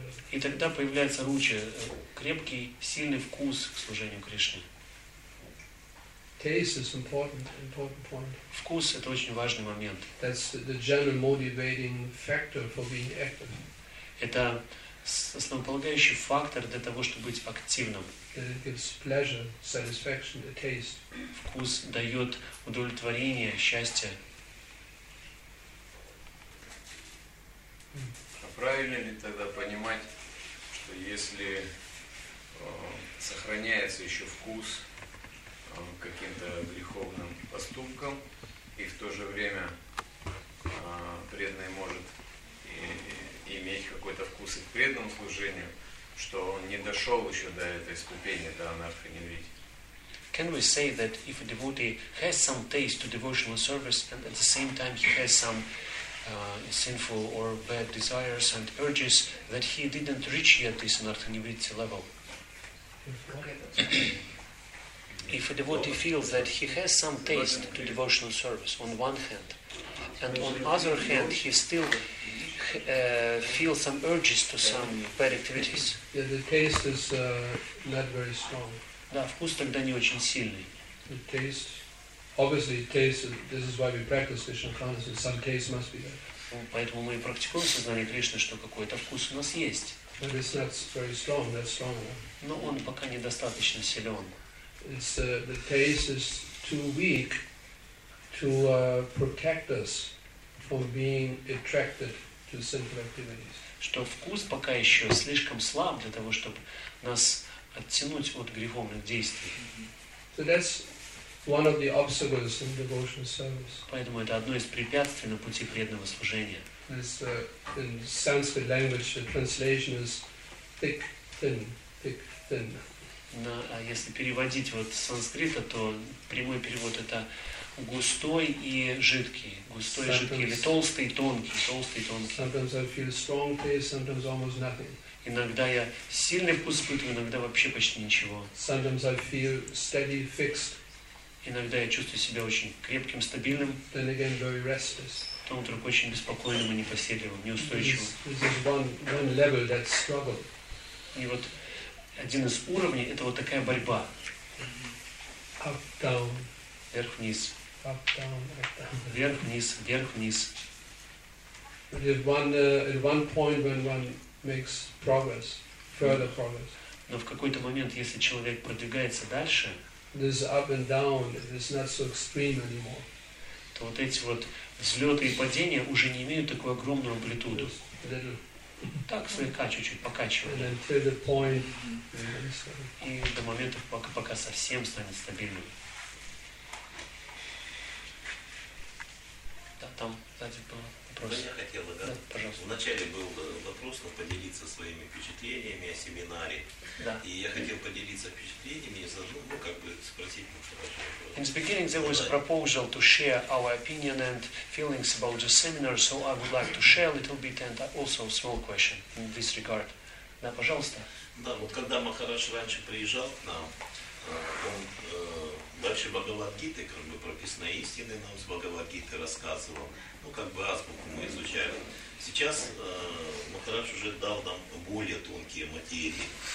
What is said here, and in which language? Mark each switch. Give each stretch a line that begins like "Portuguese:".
Russian: И тогда появляется ручи, крепкий, сильный вкус к служению Кришне.
English: Taste is important point.
Russian: Вкус — это очень важный момент.
English: That's the general motivating factor for being active.
Russian: Это основополагающий фактор для того, чтобы быть активным.
English: It gives pleasure, satisfaction, the taste.
Russian: Вкус дает удовлетворение, счастье. Правильно ли тогда понимать, что если сохраняется еще вкус каким-то греховным поступком, и в то же время преданный может иметь какой-то вкус и к преданному служению, что он не дошел еще до этой ступени, до анархо-невритти.
English: Can we say that if a devotee has some taste to devotional service and at the same time he has some sinful or bad desires and urges, that he didn't reach yet this anartha-nivritti level? If a devotee feels that he has some taste to devotional service on one hand, and on the other hand he still feels some urges to some bad activities. Yeah, the taste is not very strong.
Russian: Да, вкус тогда не очень сильный.
English: The taste, obviously, taste. This is why we practice Krishna consciousness. Some taste must be there.
Russian: Поэтому мы и практикуем сознание Кришны, что какой-то вкус у нас есть.
English: But it's not very strong. That's strong.
Russian: Но он пока недостаточно силен.
English: It's the taste is too weak to protect us from being attracted to sinful activities.
Russian: Что вкус пока еще слишком слаб для того, чтобы нас оттянуть от греховных действий.
English: So that's one of the obstacles in devotional service.
Russian: Поэтому это одно из препятствий на пути преданного служения.
English: In Sanskrit language, the translation is thick, thin, thick, thin.
Russian: На, а если переводить вот с санскрита, то прямой перевод это густой и жидкий. Густой и жидкий или толстый и тонкий. Толстый и тонкий.
English: Sometimes I feel strong taste, sometimes almost nothing.
Russian: Иногда я сильный вкус испытываю, иногда вообще почти ничего.
English: Sometimes I feel steady, fixed.
Russian: Иногда я чувствую себя очень крепким, стабильным.
English: Then again, very restless.
Russian: Потом вдруг очень беспокойным и непоседливым, неустойчивым.
English: This is one level that's struggle.
Russian: И вот один из уровней — это вот такая борьба.
English: Up, down.
Russian: Вверх-вниз.
English: Up, down, up, down.
Russian: Вверх-вниз, вверх-вниз.
English: At one point when one makes progress, further progress.
Russian: Но в какой-то момент, если человек продвигается дальше,
English: this up and down, it's not so extreme anymore.
Russian: То вот эти вот взлеты и падения уже не имеют такую огромную амплитуду. Так слегка, чуть-чуть покачивает.
English: And then to the point.
Russian: И до момента, пока совсем станет стабильным. Да, там, сзади было. Да, я хотел, да, пожалуйста. Вначале был вопрос, но поделиться своими впечатлениями о семинаре. Да. И я хотел поделиться впечатлениями, и задумал, ну, как бы спросить, ну,
English: in the beginning there was a proposal to share our opinion and feelings about the seminar, so I would like to share a little bit and also a small question in this regard.
Russian: Да, пожалуйста. Да, вот когда Махарадж раньше приезжал к нам, он дальше Бхагавад-гиты, как бы прописные истины нам с Бхагавад-гиты рассказывал. Ну, как бы азбуку мы изучали. Сейчас Махарадж уже дал нам более тонкие материи.